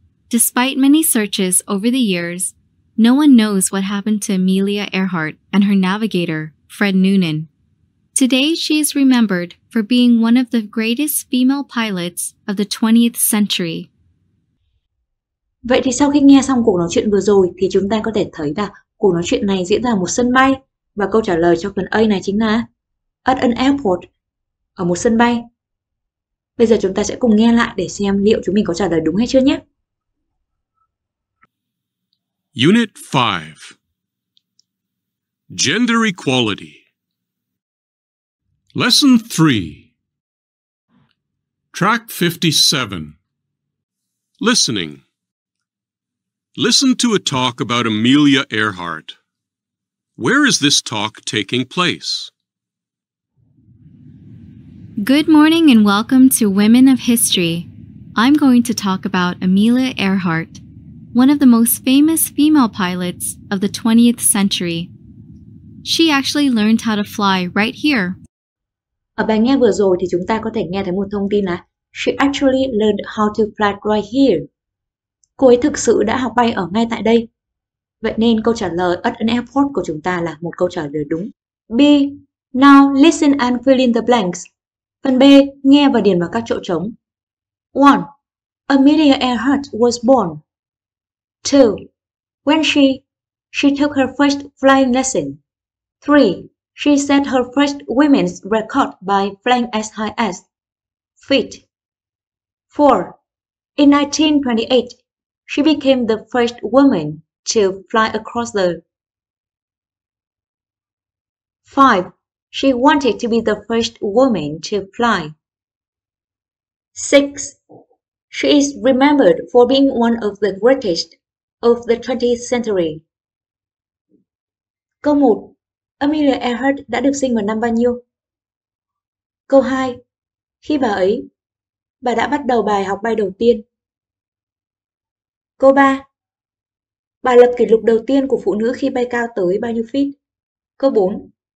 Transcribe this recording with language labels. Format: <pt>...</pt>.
<en>Despite many searches over the years, no one knows what happened to Amelia Earhart and her navigator, Fred Noonan. Today, she is remembered for being one of the greatest female pilots of the 20th century.</en> <vi>Vậy thì sau khi nghe xong cuộc nói chuyện vừa rồi thì chúng ta có thể thấy là cuộc nói chuyện này diễn ra ở một sân bay và câu trả lời cho phần A này chính là</vi> <en>at an airport,</en> <vi>ở một sân bay. Bây giờ chúng ta sẽ cùng nghe lại để xem liệu chúng mình có trả lời đúng hay chưa nhé.</vi> <en>Unit 5. Gender Equality. Lesson 3. Track 57. Listening. Listen to a talk about Amelia Earhart. Where is this talk taking place? Good morning and welcome to Women of History. I'm going to talk about Amelia Earhart, one of the most famous female pilots of the 20th century. She actually learned how to fly right here.</en> <vi>Ở bài nghe vừa rồi thì chúng ta có thể nghe thấy một thông tin là</vi> <en>she actually learned how to fly right here.</en> <vi>Cô ấy thực sự đã học bay ở ngay tại đây. Vậy nên câu trả lời</vi> <en>at an airport</en> <vi>của chúng ta là một câu trả lời đúng. B.</vi> <en>Now listen and fill in the blanks.</en> <vi>Phần B. Nghe và điền vào các chỗ trống.</vi> <en>1. Amelia Earhart was born. 2. When she took her first flying lesson. 3. She set her first women's record by flying as high as feet. 4. In 1928, she became the first woman to fly across the... 5. She wanted to be the first woman to fly. 6. She is remembered for being one of the greatest of the 20th century.</en> <vi>Câu 1. Amelia Earhart đã được sinh vào năm bao nhiêu? Câu 2. Khi bà ấy, bà đã bắt đầu bài học bay đầu tiên. Câu 3. Bà lập kỷ lục đầu tiên của phụ nữ khi bay cao tới bao nhiêu feet? Câu 4.</vi>